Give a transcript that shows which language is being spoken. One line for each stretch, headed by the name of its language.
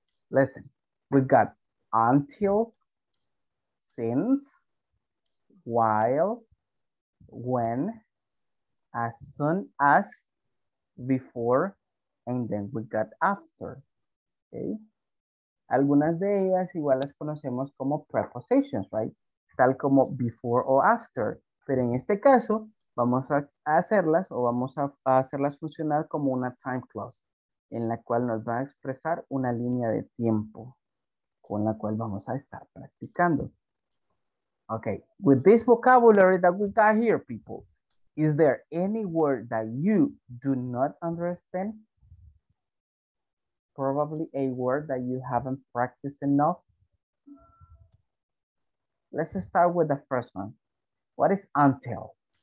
English: Listen, we've got until, since, while, when, as soon as, before, and then we got after, okay?
Spanish: Algunas de ellas igual las conocemos como prepositions, right? Tal como before o after. Pero en este caso, vamos a hacerlas o vamos a hacerlas funcionar como una time clause, en la cual nos va a expresar una línea de tiempo con la cual vamos a estar practicando.
English: Okay, with this vocabulary that we got here, people, is there any word that you do not understand? Probably a word that you haven't practiced enough. Let's start with the first one. What is until?